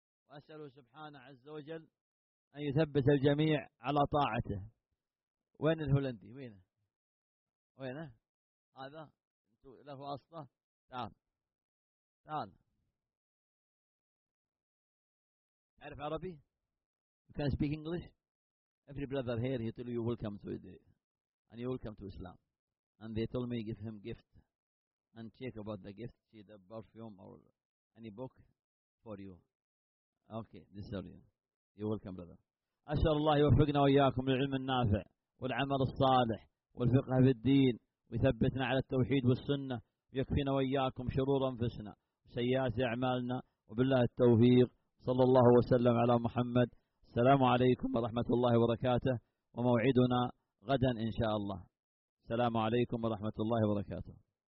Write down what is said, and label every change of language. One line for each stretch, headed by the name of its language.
Arabic: وأسأله سبحانه عز وجل أن يثبت الجميع على طاعته. وين الهولندي؟ وينه؟ وينه؟ هذا له أصلة؟ تعال تعال، تعرف عربي؟
English: You can speak English? Every brother here, he tell you welcome to the, and you welcome to Islam. And they told me give him gift and check about the gift, see the perfume or any book for you. Okay, this is for you. You're welcome, brother.
Arabic: أسأل الله يوفقنا وإياكم للعلم النافع والعمل الصالح والفقه في الدين، ويثبتنا على التوحيد والسنة، ويكفينا وإياكم شرور أنفسنا وسيئات أعمالنا، وبالله التوفيق. صلى الله وسلم على محمد. السلام عليكم ورحمة الله وبركاته، وموعدنا غدا إن شاء الله. السلام عليكم ورحمة الله وبركاته.